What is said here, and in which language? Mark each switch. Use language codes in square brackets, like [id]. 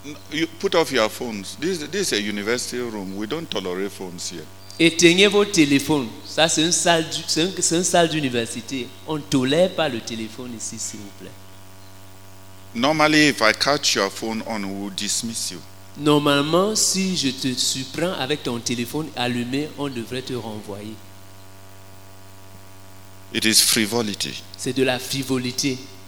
[en] You put off your phones. This is a university room. We don't tolerate phones here. [fr] Éteignez vos téléphones. Ça c'est une salle c'est une salle d'université. On tolère pas le téléphone ici, s'il vous plaît. [en] Normally, if I catch your phone on, we will dismiss you. [fr] Normalement, si je te surprends avec ton téléphone allumé, on devrait te renvoyer. [en] It is frivolity. [fr] C'est de la frivolité.